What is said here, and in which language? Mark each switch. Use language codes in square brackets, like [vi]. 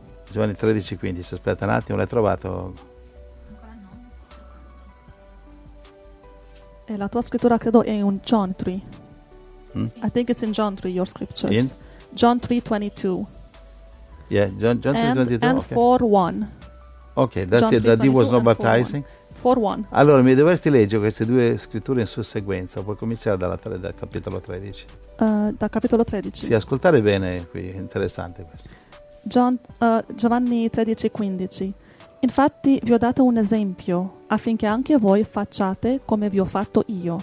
[it] Giovanni 13, 15. Aspetta un attimo, l'hai trovato? La tua scrittura credo è in John 3. [en] I think it's in John 3, your scriptures. In? John 3, 22. Yeah, John 3, 22. And 4:1. Okay, that's John it, that he was not baptizing. 4:1. [it] Allora, mi dovresti leggere queste due scritture in susseguenza. Puoi cominciare dal capitolo 13. Dal capitolo 13. Sì, ascoltare bene qui, è interessante questo. Giovanni 13, 15. Infatti vi ho dato un esempio, affinché anche voi facciate come vi ho fatto io.